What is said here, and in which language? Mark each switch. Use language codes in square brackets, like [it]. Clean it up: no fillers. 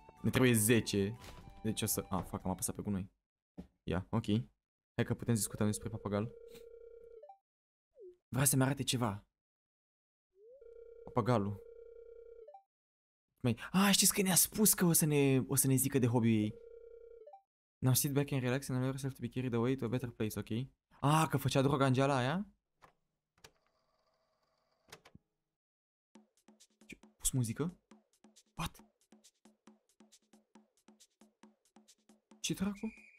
[ro] Ne trebuie 10. Deci o să... am apăsat pe gunoi. Ia, ok. Hai că putem discuta despre papagal. Vreau să-mi arate ceva. Papagalul. Știți că ne-a spus că o să ne zică de hobby-ul ei. [en] Now sit back and relax and allow yourself to be carried away to a better place, ok? [ro] Că făcea droga în geala aia? Ce, pus muzică? What? Ce dracu?